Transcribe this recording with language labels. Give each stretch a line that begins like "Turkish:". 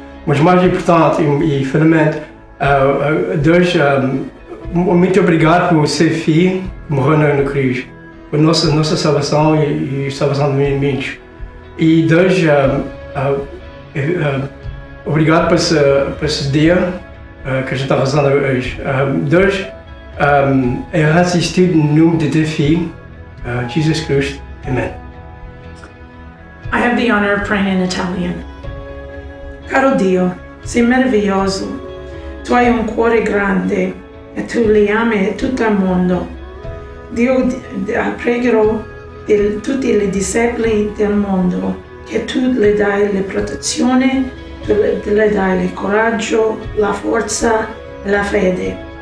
Portuguese: Mas mais importante e finalmente, Deus, muito obrigado por ser filho morrendo na cruz, por nossa salvação e salvação de mim e muitos. E Deus, obrigado por esse dia que a gente está rezando hoje. Deus, eu assisti no nome de teu filho, Jesus Cristo. Amém.
English: I have the honor of praying in Italian.
Italian: Caro Dio, sei meraviglioso. Tu hai un cuore grande e tu li ami tutto il mondo. Dio, pregherò di tutti i discepoli del mondo che tu le dai la protezione, tu le dai il coraggio, la forza, la fede.